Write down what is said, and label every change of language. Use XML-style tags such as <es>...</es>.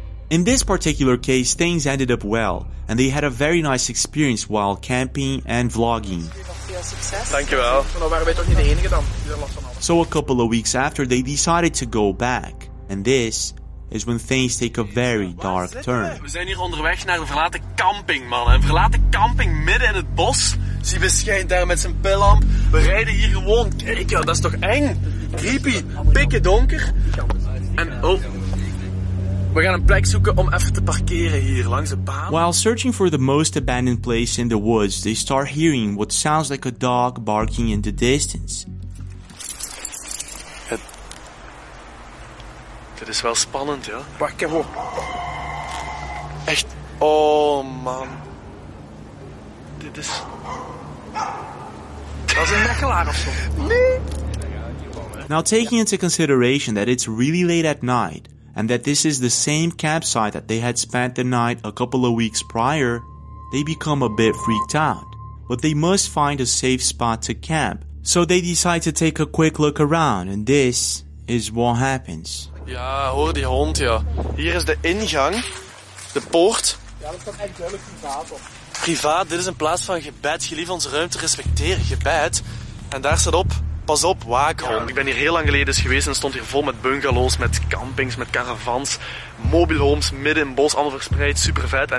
<en>In this particular case, things ended up well, and they had a very nice experience while camping and vlogging. Thank you, Al. So a couple of weeks after, they decided to go back, and this is when things take a very dark turn.</en> <nl>We zijn hier onderweg naar een verlaten camping, man. Een verlaten camping midden in het bos. Zie, we schijnt daar met zijn pillamp. We rijden hier gewoon. Kijk, dat is toch eng? Creepy. Pikken donker. En, oh, we gaan een plek zoeken om even te parkeren hier langs de baan.</nl> <en>While searching for the most abandoned place in the woods, they start hearing what sounds like a dog barking in the distance.</en> <nl>Dit is wel spannend, ja. Wacht even. Echt. Oh, man. Dit is. was een nekkelaar of zo. Nee.</nl> <en>Now taking into consideration that it's really late at night, and that this is the same campsite that they had spent the night a couple of weeks prior, they become a bit freaked out. But they must find a safe spot to camp, so they decide to take a quick look around, and this is what happens.</en> <nl>Ja, hoor die hond, ja. Hier is de ingang, de poort. Ja, dat staat echt duidelijk privaat op. Privaat, dit is een plaats van gebed. Gelieve onze ruimte respecteren, gebed. En daar staat op, pas op, waakhond. Ja, ik ben hier heel lang geleden geweest en stond hier vol met bungalows, met campings, met caravans, mobile homes, midden in het bos, allemaal verspreid, supervet.</nl>